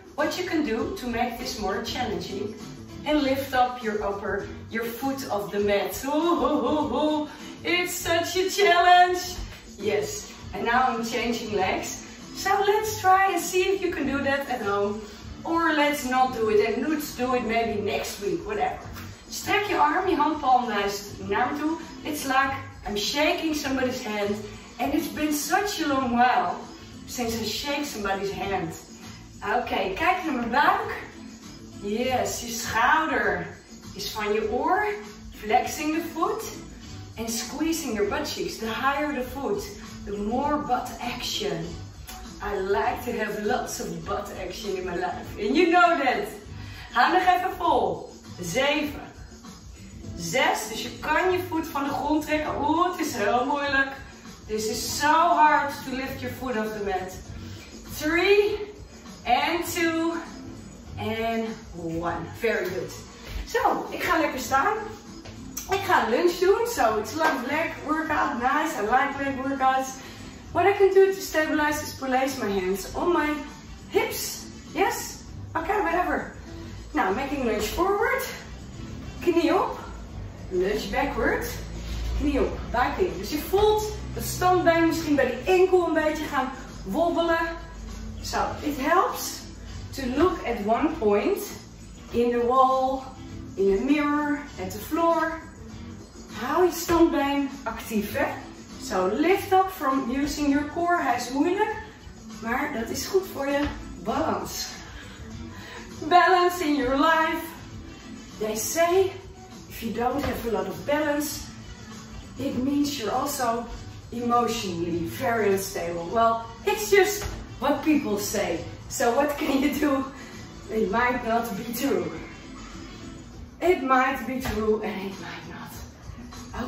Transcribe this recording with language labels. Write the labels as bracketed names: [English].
[English] what you can do to make this more challenging and lift up your foot off the mat. Ooh, it's such a challenge. Yes, and now I'm changing legs. So let's try and see if you can do that at home, or let's not do it and let's do it maybe next week, whatever. [Dutch] Strek je arm, je handpalm naar me toe. [English] It's like I'm shaking somebody's hand. And it's been such a long while since I shake somebody's hand. [Dutch] Okay, kijk naar mijn buik. Yes, je schouder is van je oor. [English] Flexing the foot and squeezing your butt cheeks. The higher the foot, the more butt action. I like to have lots of butt action in my life. And you know that. [Dutch] Hou nog even vol. 7. 6, dus je kan je voet van de grond trekken. Oeh, het is heel moeilijk. [English] This is so hard to lift your foot off the mat. 3, and 2, and 1. Very good. [Dutch] Zo, ik ga lekker staan. Ik ga lunch doen. [English] So, it's like leg workout. Nice, I like leg workouts. What I can do to stabilize is place my hands on my hips. Yes? Okay, whatever. Now, making lunge forward. [Dutch] Knie op. [English] Lunge backward. [Dutch] Knie op. Buik in. Dus je voelt de standbeen misschien bij de enkel een beetje gaan wobbelen. [English] So, it helps to look at one point in the wall, in a mirror, at the floor. [Dutch] Hou je standbeen actief, hè? [English] So, lift up from using your core. [Dutch] Hij is moeilijk, maar dat is goed voor je. [English] Balance. Balance in your life. They say, if you don't have a lot of balance, it means you're also emotionally very unstable. Well, it's just what people say. So what can you do? It might not be true. It might be true and it might not.